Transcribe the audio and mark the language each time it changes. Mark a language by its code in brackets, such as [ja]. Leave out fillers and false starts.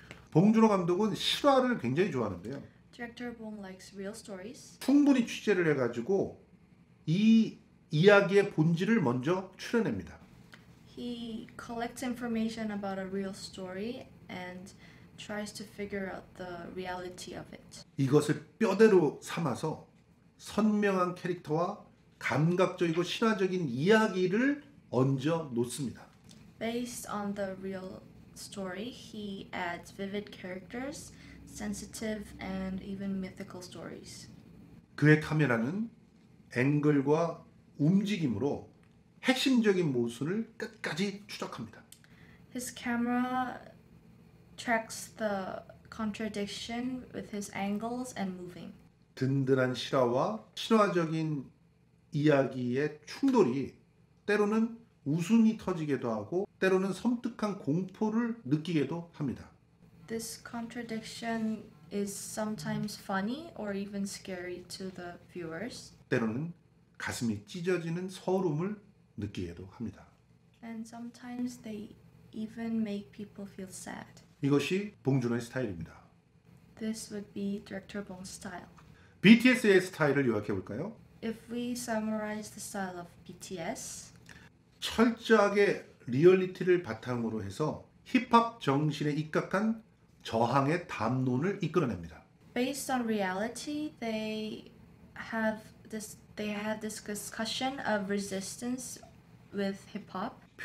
[ko] 봉준호 감독은 실화를 굉장히 좋아하는데요. [en] Director Bong likes real stories. [ko] 충분히 취재를 해 가지고 이 이야기의 본질을 먼저 추려냅니다. [en] He collects information about a real story and tries to figure out the reality of it. [ko] 이것을 뼈대로 삼아서 선명한 캐릭터와 감각적이고 실화적인 이야기를 얹어 놓습니다. [en] Based on the real story, he adds vivid characters, sensitive and even mythical stories. [ko] 그의 카메라는 앵글과 움직임으로 핵심적인 모순을 끝까지 추적합니다. [en] His camera tracks the contradiction with his angles and moving. [ko] 든든한 실화와 신화적인 이야기의 충돌이 때로는 웃음이 터지기도 하고 때로는 섬뜩한 공포를 느끼기도 합니다. [en] This contradiction is sometimes funny or even scary to the viewers. [ko] 때로는 가슴이 찢어지는 서름을 느끼기도 합니다. [en] And sometimes they even make people feel sad. [ko] 이것이 봉준호의 스타일입니다. [en] This would be Director Bong's style. [ko] BTS의 스타일을 요약해 볼까요? [en] If we summarize the style of BTS, [ko] 철저하게 리얼리티를 바탕으로 해서 힙합 정신에 입각한 저항의 담론을 이끌어냅니다. [en] Based on reality, they have this discussion of resistance with hip hop.